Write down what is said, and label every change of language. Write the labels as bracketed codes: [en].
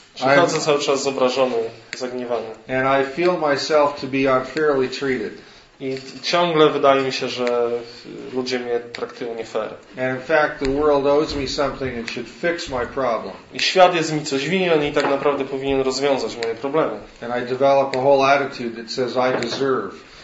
[pl] Czyli chodzę cały czas zobrażony, zagniewany. [en] And I feel myself to be unfairly treated. [pl] I ciągle wydaje mi się, że ludzie mnie traktują nie fair. [en] And in fact, the world owes me something and should fix my problem. [pl] I świat jest mi coś winien i tak naprawdę powinien rozwiązać moje problemy. [en] And I develop a whole attitude that says I deserve.